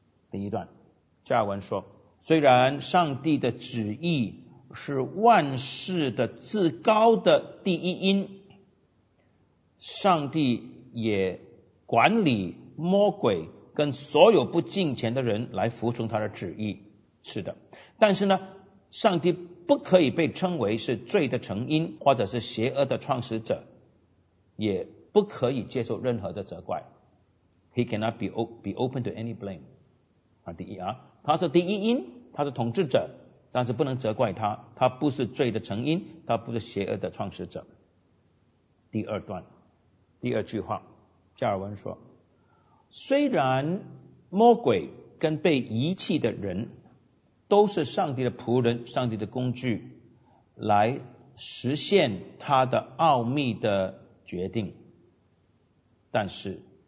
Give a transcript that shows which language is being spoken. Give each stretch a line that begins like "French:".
Chinese: 第一段，加尔文说，虽然上帝的旨意是万事的至高的第一因，上帝也管理魔鬼跟所有不敬虔的人来服从他的旨意，是的，但是呢上帝不可以被称为是罪的成因或者是邪恶的创始者，也不可以接受任何的责怪。
English: He cannot be open to any blame.
Chinese: 第一啊，他是第一因，他是统治者，但是不能责怪他，他不是罪的成因，他不是邪恶的创始者。第二段，第二句话，加尔文说，虽然魔鬼跟被遗弃的人都是上帝的仆人，上帝的工具，来实现他的奥秘的决定，但是